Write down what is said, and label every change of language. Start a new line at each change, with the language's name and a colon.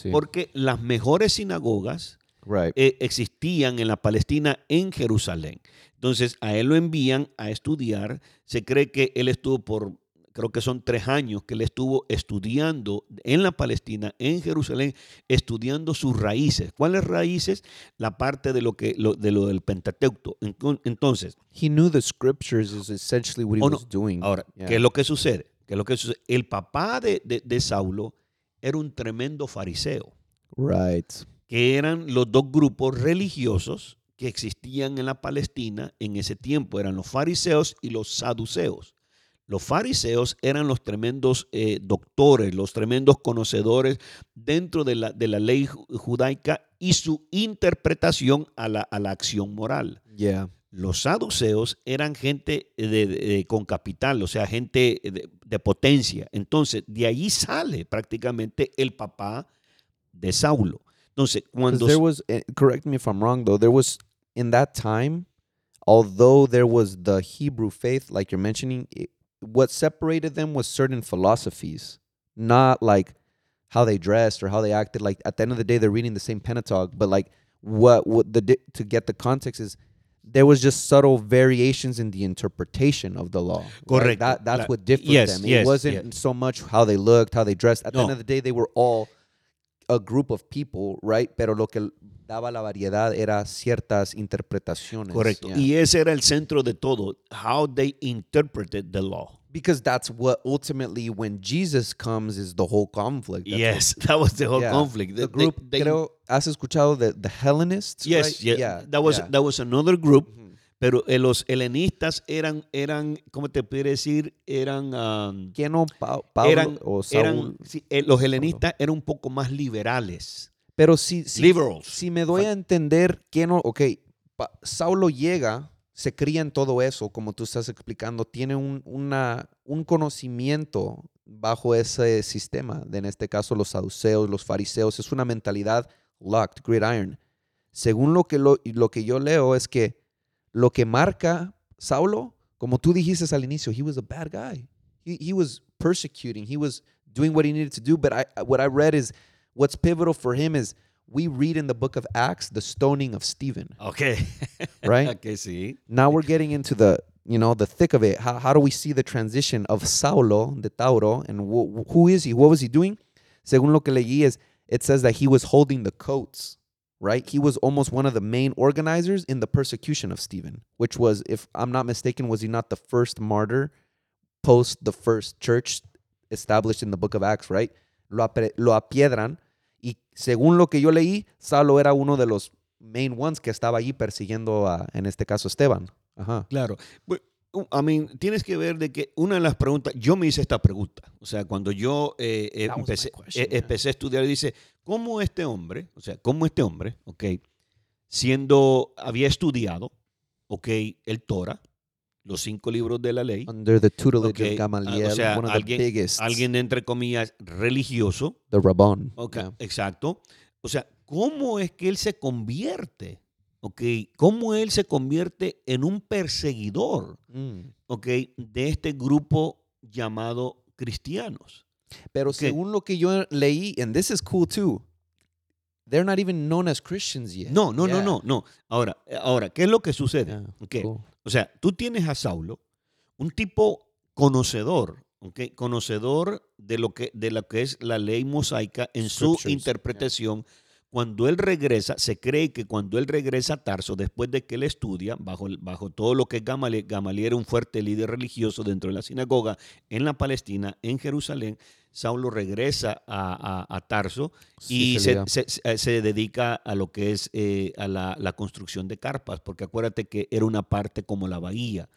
Spanish: Porque las mejores sinagogas existían en la Palestina en Jerusalén. Entonces, a él lo envían a estudiar. Se cree que él estuvo creo que son 3 años que él estuvo estudiando en la Palestina, en Jerusalén, estudiando sus raíces. ¿Cuáles raíces? La parte de lo del Pentateuco. Entonces,
English: he knew the scriptures is essentially what he was doing.
Spanish: Ahora, yeah. ¿Qué es lo que sucede? ¿Qué es lo que sucede? El papá de Saulo era un tremendo fariseo.
English: Right.
Spanish: Que eran los dos grupos religiosos que existían en la Palestina en ese tiempo. Eran los fariseos y los saduceos. Los fariseos eran los tremendos doctores, los tremendos conocedores dentro de la ley judaica y su interpretación a la acción moral.
English: Yeah.
Spanish: Los saduceos eran gente con capital, o sea, gente de potencia. Entonces, de allí sale prácticamente el papá de Saulo. Entonces,
English: correct me if I'm wrong, though, there was, in that time, although there was the Hebrew faith, like you're mentioning, what separated them was certain philosophies, not like how they dressed or how they acted. Like, at the end of the day, they're reading the same Pentateuch, but like, to get the context is, there was just subtle variations in the interpretation of the law. Correct. Right? That's what differed them. Yes, it wasn't so much how they looked, how they dressed. At the end of the day, they were all a group of people, right?
Spanish: Pero lo que daba la variedad era ciertas interpretaciones. Correcto. Yeah. Y ese era el centro de todo,
English: how they interpreted the law. Because that's what ultimately, when Jesus comes, is the whole conflict. That's yes, what, that was the whole conflict. The group,
Spanish: ¿has escuchado
English: the Hellenists? Yes, right? Yeah. That was another group. Mm-hmm.
Spanish: Pero los helenistas eran ¿cómo te puedo decir? Eran ¿quién no? Pablo eran, o Saul. Eran, sí, los helenistas eran un poco más liberales. Pero si me doy a entender, ¿quién no? Okay, Saulo llega, se cría en todo eso, como tú estás explicando, tiene un conocimiento bajo ese sistema, en este caso los saduceos, los fariseos, es una mentalidad
English: locked, gridiron.
Spanish: Según lo que yo leo es que lo que marca Saulo, como tú dijiste al inicio,
English: he was a bad guy. He was persecuting. He was doing what he needed to do. But what I read is, what's pivotal for him is, we read in the book of Acts, the stoning of Stephen. Okay. Right?
Spanish: Okay, sí.
English: Now we're getting into the, you know, the thick of it. How do we see the transition of Saulo, de Tauro, and who is he? What was he doing?
Spanish: Según lo que leí es,
English: it says that he was holding the coats. Right, he was almost one of the main organizers in the persecution of Stephen, which was, if I'm not mistaken, was he not the first martyr post the first church established in the book of Acts, right?
Spanish: Lo apiedran, y según lo que yo leí, Saulo era uno de los
English: main ones
Spanish: que estaba allí persiguiendo a, en este caso, Esteban. Ajá. Claro. But, I mean, tienes que ver de que una de las preguntas, yo me hice esta pregunta, o sea, cuando yo empecé a estudiar, dice, ¿cómo este hombre, ok, siendo, había estudiado, ok, el Torah, los 5 libros de la ley?
English: Under the tutelage of Gamaliel, one of
Spanish: alguien,
English: the biggest.
Spanish: Alguien, entre comillas, religioso.
English: The Rabban.
Spanish: Okay, yeah. Exacto. O sea, ¿cómo es que él se convierte Okay. ¿Cómo él se convierte en un perseguidor okay, de este grupo llamado cristianos? Pero okay. Según lo que yo leí,
English: and this is cool too, they're not even known as Christians yet.
Spanish: No. Ahora, ¿qué es lo que sucede? Yeah, okay. Cool. O sea, tú tienes a Saulo, un tipo conocedor, okay, conocedor de lo que es la ley mosaica en su interpretación. Yeah. Cuando él regresa, se cree que cuando él regresa a Tarso, después de que él estudia, bajo todo lo que es Gamaliel era un fuerte líder religioso dentro de la sinagoga en la Palestina, en Jerusalén, Saulo regresa a Tarso y sí, se dedica a lo que es a la construcción de carpas, porque acuérdate que era una parte como la bahía,